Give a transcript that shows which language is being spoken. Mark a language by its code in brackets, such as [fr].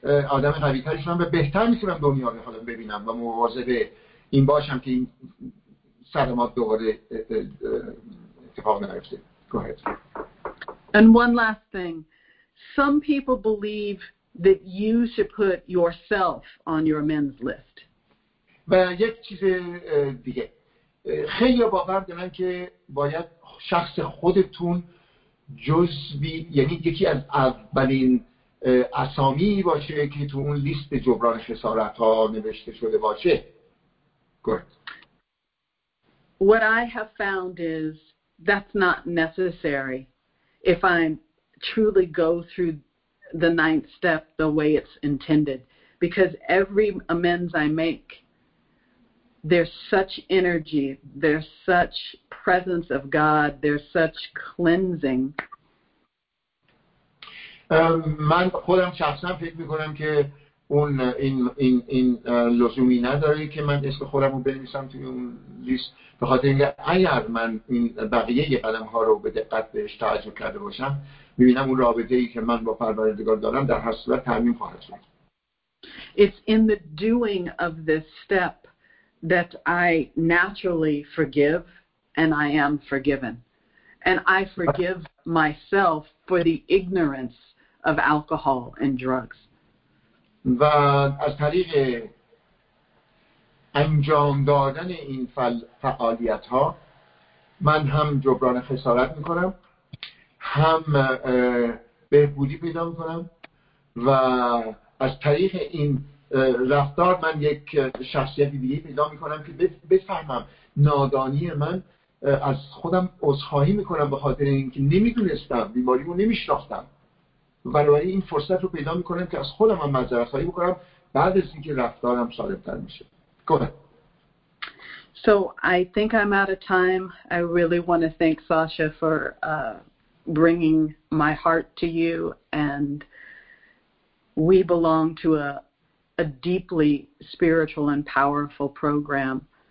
[fa] آدم قوی‌تری شدم و بهتر میتونم دنیا رو حالا ببینم و مواظب این باشم که این صدمات دوباره اتفاق نیفته. [en] Go ahead. And one last thing. Some people believe that you should put yourself on your amends list. [fa] و یک چیز دیگه، خیلی باور دارن که باید شخص خودتون جزوی، یعنی یکی از اولین اسامی باشه که تو اون لیست جبران خسارت ها نوشته شده باشه. [en] Good. What I have found is that's not necessary if I truly go through the ninth step the way it's intended, because every amends I make, there's such energy, there's such presence of God, there's such cleansing. [fa] من خودم شخصا فکر میکنم که اون این این این لزومی نداره که من اسم خودم رو بنویسم توی اون لیست، به خاطر اینکه اگر من این بقیه یه قدم ها رو به دقت بهش توجه کرده باشم، میبینم اون رابطه ای که من با پروردگار دارم در هر صورت تعمیم خواهد شد. [en] It's in the doing of this step that I naturally forgive and I am forgiven. And I forgive myself for the ignorance of alcohol and drugs. [fa] و از طریق انجام دادن این فعالیت ها من هم جبران خسارت میکنم، هم بهبودی پیدا میکنم، و از طریق این رفتار من یک شخصیت دیگه پیدا میکنم که بفهمم نادانی من، از خودم عذرخواهی میکنم به خاطر اینکه نمیدونستم، بیماریمو نمیشناختم، ولی این فرصت رو پیدا میکنم که از خودم هم معذرت‌خواهی بکنم بعد از اینکه رفتارم سالم‌تر میشه. [en] Go ahead. So I think I'm out of time. I really want to thank Sasha for bringing my heart to you, and we belong to a deeply spiritual and powerful program.